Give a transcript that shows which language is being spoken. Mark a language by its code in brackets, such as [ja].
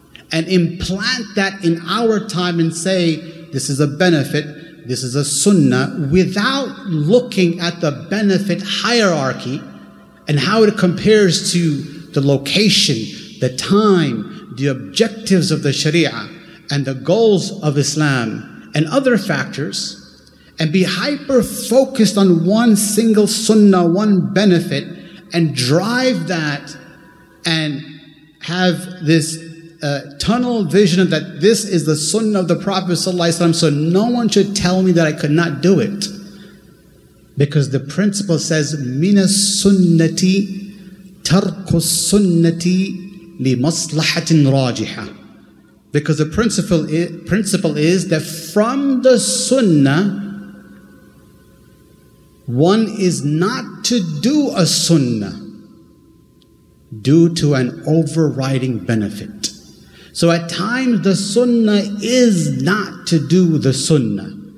[en] and implant that in our time and say this is a benefit, this is a sunnah, without looking at the benefit hierarchy and how it compares to the location, the time, the objectives of the Sharia and the goals of Islam and other factors, and be hyper focused on one single sunnah, one benefit, and drive that and have this tunnel vision that this is the sunnah of the Prophet ﷺ, so no one should tell me that I could not do it. Because the principle says, [ar] مِنَ السُنَّةِ تَرْكُ السُنَّةِ لِمَصْلَحَةٍ رَاجِحَةٍ. [en] Because the principle is that from the sunnah, one is not to do a sunnah due to an overriding benefit. So at times the sunnah is not to do the sunnah.